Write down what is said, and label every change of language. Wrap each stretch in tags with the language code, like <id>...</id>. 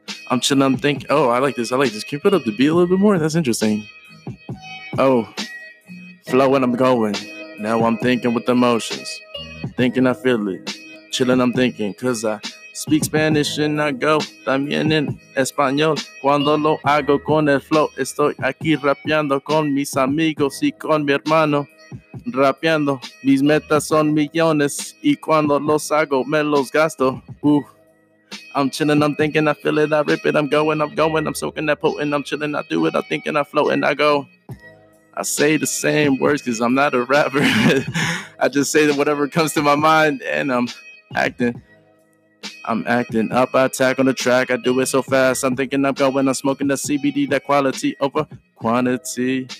<en>I'm chilling, I'm thinking, oh, I like this. Can you put up the beat a little bit more? That's interesting. Oh, flow when I'm going. Now I'm thinking with emotions. Thinking I feel it. Chilling, I'm thinking, cause I Speak Spanish and I go.</en> <es>También en español. Cuando lo hago con el flow, estoy aquí rapeando con mis amigos y con mi hermano. Rapeando, mis metas son millones y cuando los hago me los gasto.</es> <en>I'm chilling, I'm thinking, I feel it, I rip it, I'm going, I'm soaking that potent, I'm chilling, I do it, I think, and I float, and I go. I say the same words because I'm not a rapper. I just say that whatever comes to my mind, and I'm acting up, I attack on the track, I do it so fast, I'm thinking, I'm going, I'm smoking the CBD, that quality over quantity.</en>